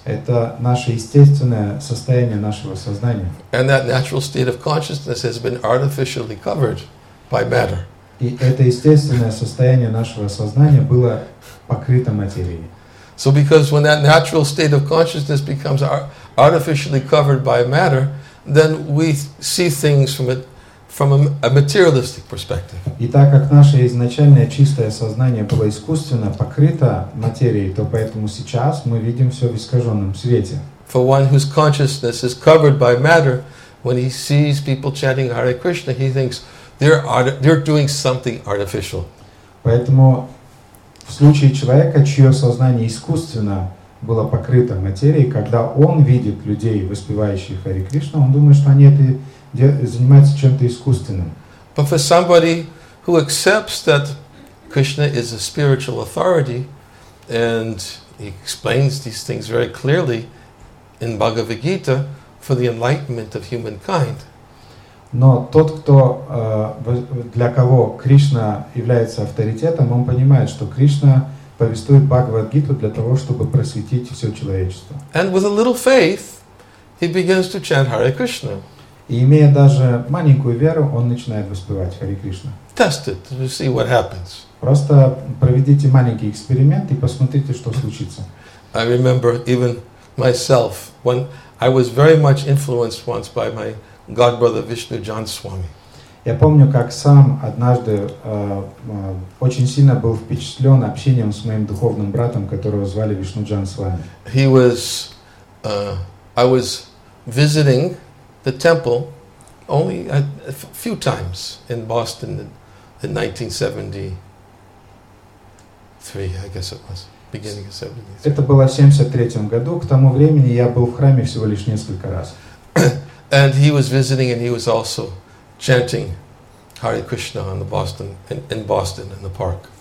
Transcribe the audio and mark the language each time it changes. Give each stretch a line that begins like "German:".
Russian: Это наше естественное состояние нашего сознания.
English: And that natural state of consciousness has been artificially covered by matter.
Russian: И это естественное состояние нашего сознания было покрыто материей.
English: So because when that natural state of consciousness becomes artificially covered by matter, then we see things from a materialistic perspective.
Russian: И так как наше изначальное чистое сознание было искусственно покрыто материей, то поэтому сейчас мы видим все в искаженном свете.
English: For one whose consciousness is covered by matter, when he sees people chanting Hare Krishna, he thinks they're doing something artificial.
Russian: Поэтому в случае человека, чье сознание искусственно было покрыто материей, когда он видит людей, воспевающих Хари Кришну, он думает, что они это занимаются чем-то искусственным.
English: But for somebody who accepts that Krishna is a spiritual authority and he explains these things very clearly in Bhagavad Gita for the enlightenment of humankind.
Russian: Но тот, кто для кого Кришна является авторитетом, он понимает, что Кришна повествует Бхагавад-гиту для того, чтобы просветить все человечество.
English: And with a little faith, he begins to chant Hare Krishna.
Russian: И имея даже маленькую веру, он начинает воспевать Хари Кришна.
English: Test it, see what happens.
Russian: Просто проведите маленький эксперимент и посмотрите, что случится.
English: I remember even myself when I was very much influenced once by my Godbrother Vishnu John Swami.
Russian: Я помню, как сам однажды очень сильно был впечатлен общением с моим духовным братом, которого звали Вишну Джан Свами.
English: He was, I was visiting the temple only a few times in Boston in 1973, I guess it was. Beginning of 73.
Russian: Это было в 73 году. К тому времени я был в храме всего лишь несколько раз.
English: And he was visiting, and he was also chanting Hare Krishna on the Boston in Boston in the park.